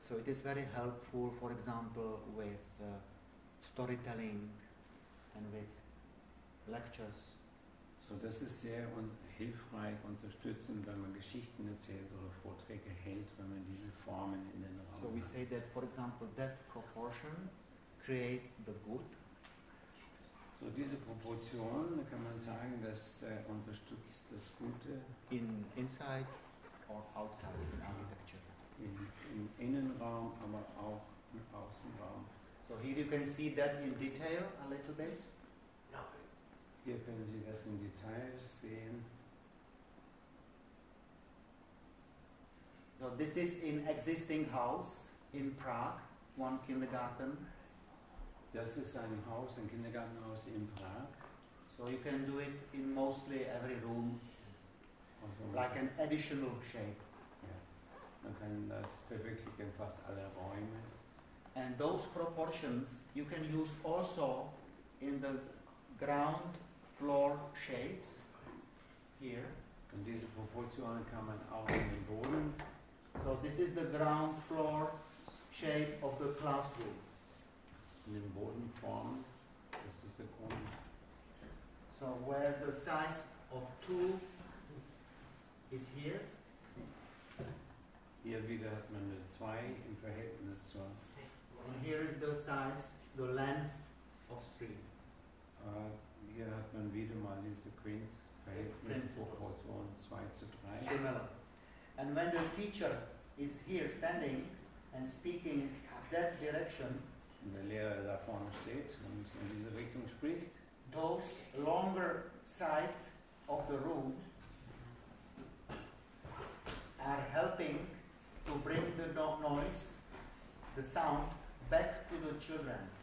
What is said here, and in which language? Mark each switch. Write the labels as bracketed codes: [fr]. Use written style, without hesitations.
[en] So it is very helpful, for example, with storytelling and with lectures. [de] So das ist sehr hilfreich, unterstützend, wenn man Geschichten erzählt oder Vorträge hält, wenn man diese Formen in den Raum hat. [en] So we say that, for example, that proportion create the good. [de] So diese Proportion, da kann man sagen, das unterstützt das Gute. [en] In inside or outside in architecture. [de] Im Innenraum, aber auch im Außenraum. [en] So here you can see that in detail a little bit. No. [de] Hier können Sie das in Details sehen. [en] So this is in existing house in Prague, one kindergarten. [de] Das ist ein Haus, ein Kindergartenhaus in Prag. [en] So you can do it in mostly every room, like an additional shape. Yeah. [de] Man kann das verwirklichen in fast alle Räume. [en] And those proportions you can use also in the ground floor shapes here. [de] Und diese Proportionen kann man auch in den Boden. [en] So this is the ground floor shape of the classroom. In the Boden form, this is the corner. So where the size of two is here. [de] Hier wieder hat man zwei im Verhältnis zu. [en] And here is the size, the length of string. [de] Hier hat man wieder mal diese Quint Verhältnis von Proportion 2 zu 3. [en] Similar. And when the teacher is here standing and speaking that direction, [de] und der Lehrer da vorne steht und in diese Richtung spricht, [en] those longer sides of the room are helping to bring the noise, the sound, back to the children.